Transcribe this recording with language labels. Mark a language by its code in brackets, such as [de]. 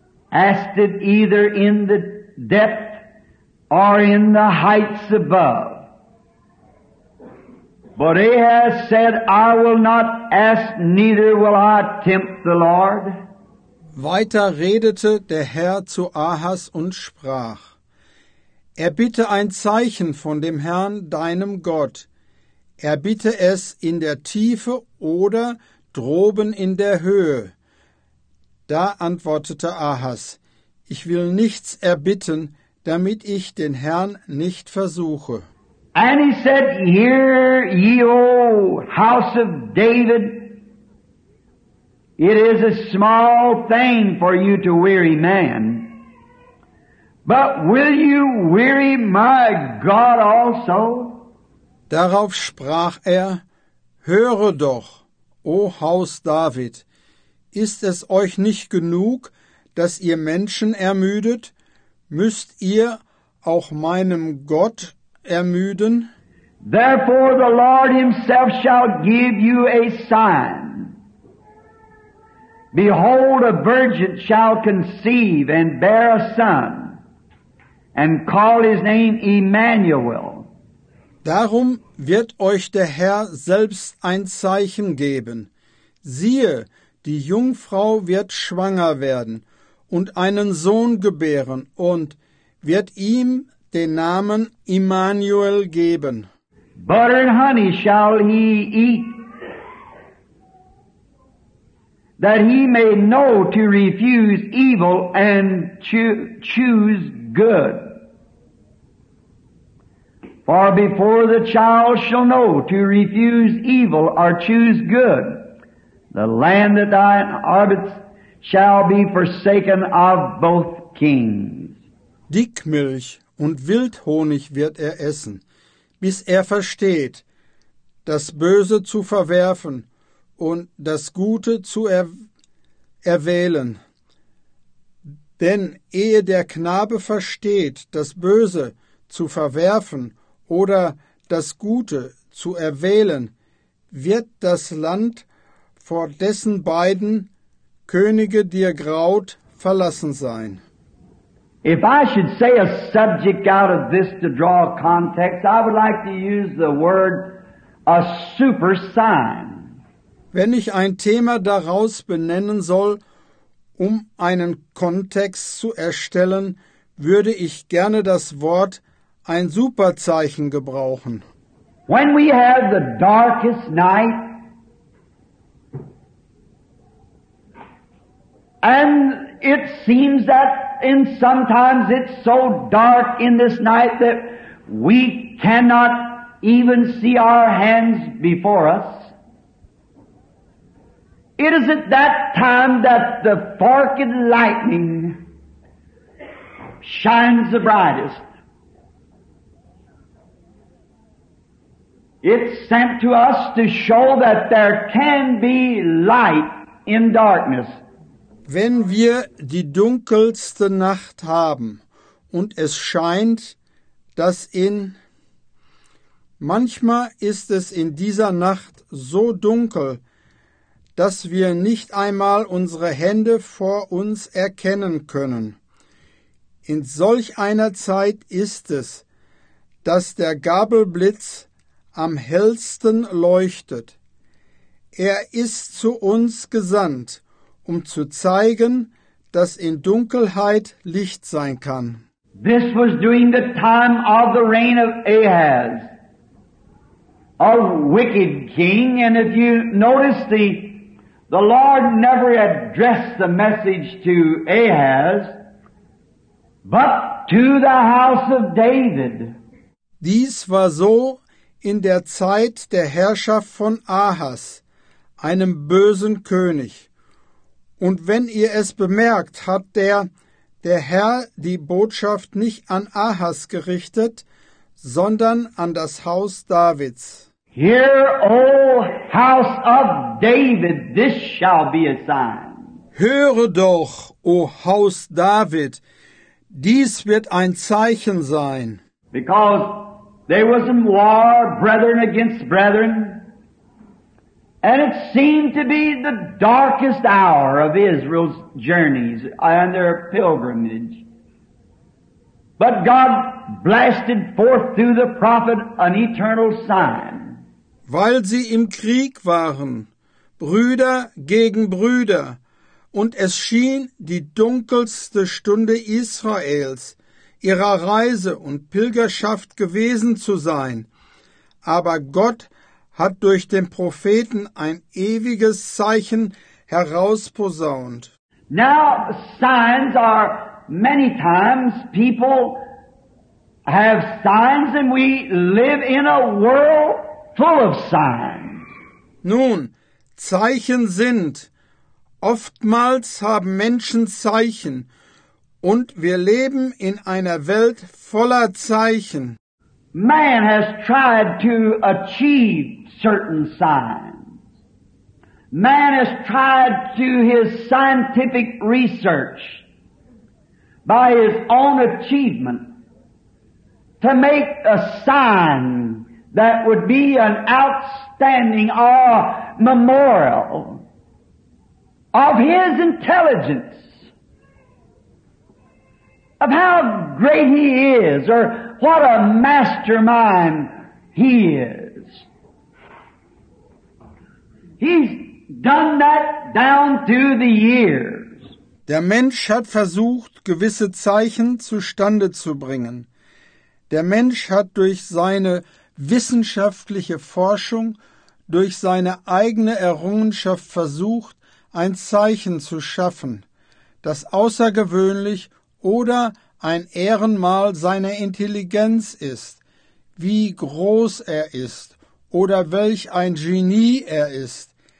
[en] Ask it either in the depth or in the heights above. But Ahaz said, I will not ask, neither will I tempt the Lord. [de] Weiter redete der Herr zu Ahas und sprach, Erbitte ein Zeichen von dem Herrn, deinem Gott. Erbitte es in der Tiefe oder droben in der Höhe. Da antwortete Ahas, Ich will nichts erbitten, damit ich den Herrn nicht versuche. [en] And he said, Hear ye, O house of David, it is a small thing for you to weary man, but will you weary my God also? [de] Darauf sprach er, Höre doch, O Haus David, ist es euch nicht genug, dass ihr Menschen ermüdet? Müsst ihr auch meinem Gott ermüden? [en] Therefore the Lord himself shall give you a sign. Behold, a virgin shall conceive and bear a son, and call his name Emmanuel. [de] Darum wird euch der Herr selbst ein Zeichen geben. Siehe, die Jungfrau wird schwanger werden und einen Sohn gebären und wird ihm den Namen Immanuel geben. [en] Butter and honey shall he eat, that he may know to refuse evil and choose good. For before the child shall know to refuse evil or choose good, the land that thine inhabits shall be forsaken of both kings. [de] Dickmilch und Wildhonig wird er essen, bis er versteht, das Böse zu verwerfen und das Gute zu erwählen. Denn ehe der Knabe versteht, das Böse zu verwerfen oder das Gute zu erwählen, wird das Land, vor dessen beiden Könige dir graut, verlassen sein. [en] If I should say a subject out of this to draw a context, I would like to use the word a super sign. [de] Wenn ich ein Thema daraus benennen soll, um einen Kontext zu erstellen, würde ich gerne das Wort ein Superzeichen gebrauchen. [en] When we have the darkest night and it seems that and sometimes it's so dark in this night that we cannot even see our hands before us. It is at that time that the forked lightning shines the brightest. It's sent to us to show that there can be light in darkness. [de] Wenn wir die dunkelste Nacht haben und es scheint, dass in... Manchmal ist es in dieser Nacht so dunkel, dass wir nicht einmal unsere Hände vor uns erkennen können. In solch einer Zeit ist es, dass der Gabelblitz am hellsten leuchtet. Er ist zu uns gesandt, um zu zeigen, dass in Dunkelheit Licht sein kann. [en] This was during the time of the reign of Ahaz, a wicked king, and if you notice the Lord never addressed the message to Ahaz, but to the house of David. [de] Dies war so in der Zeit der Herrschaft von Ahas, einem bösen König. Und wenn ihr es bemerkt, hat der Herr die Botschaft nicht an Ahas gerichtet, sondern an das Haus Davids. [en] Hear, O House of David, this shall be a sign. [de] Höre doch, O Haus David, dies wird ein Zeichen sein. [en] Because there was a war, brethren against brethren. And it seemed to be the darkest hour of Israel's journeys and their pilgrimage. But God blasted forth through the prophet an eternal sign. [de] Weil sie im Krieg waren, Brüder gegen Brüder, und es schien die dunkelste Stunde Israels, ihrer Reise und Pilgerschaft gewesen zu sein. Aber Gott hat durch den Propheten ein ewiges Zeichen herausposaunt. [en] Now signs are many times people have signs and we live in a world full of signs. [de] Nun, Zeichen sind, oftmals haben Menschen Zeichen und wir leben in einer Welt voller Zeichen. [en] Man has tried to achieve certain signs. Man has tried to his scientific research by his own achievement to make a sign that would be an outstanding memorial of his intelligence, of how great he is or what a mastermind he is. He's done that down through the years. [de] Der Mensch hat versucht, gewisse Zeichen zustande zu bringen. Der Mensch hat durch seine wissenschaftliche Forschung, durch seine eigene Errungenschaft versucht, ein Zeichen zu schaffen, das außergewöhnlich oder ein Ehrenmal seiner Intelligenz ist, wie groß er ist oder welch ein Genie er ist.